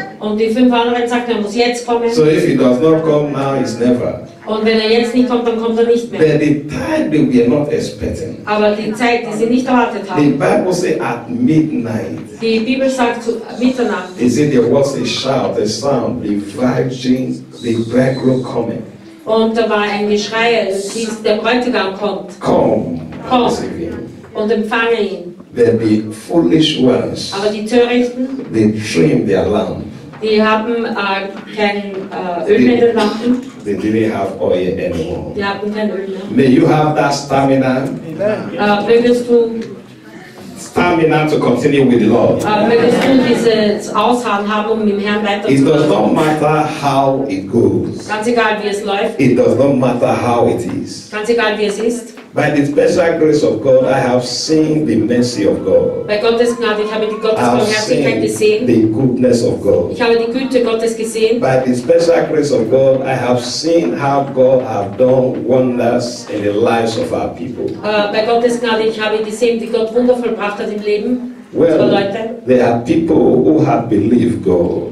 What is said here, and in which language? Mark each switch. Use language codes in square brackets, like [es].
[de] Und die 5 anderen sagten, er muss jetzt kommen. [en] So if he does not come now, it's never. [de] Und wenn er jetzt nicht kommt, dann kommt er nicht mehr. [en] But the time that we are not expecting. [de] Aber die Zeit, die sie nicht erwartet haben. [en] The Bible says at midnight. [de] Die Bibel sagt zu Mitternacht. [en] Is it there was a shout, a sound, the virgin, the bridegroom coming. [de] Und da war ein Geschrei, es hieß, der Bräutigam kommt. Komm und empfange ihn. [en] There be foolish ones. [de] Aber die Törichten, [en] they dream their lamp. [de] Die haben kein Öl mehr in den Lampen. [en] They didn't have oil anymore. [de] Die haben kein Öl mehr. [en] May you have that stamina. [de] Mögest du [en] stamina to continue with the Lord. It does not matter how it goes. [de] Ganz egal, wie es läuft. [en] It does not matter how it is. [de] Ganz egal, wie es ist. [en] By the special grace of God, I have seen the mercy of God. [de] Bei Gottes Gnade, ich habe die Gottesbarmherzigkeit gesehen. [en] The goodness of God. [de] Ich habe die Güte Gottes gesehen. [en] By the special grace of God, I have seen how God has done wonders in the lives of our people. [de] Bei Gottes Gnade, ich habe gesehen, wie Gott Wunder vollbracht hat im Leben. [en] Well, there are people who have believed God.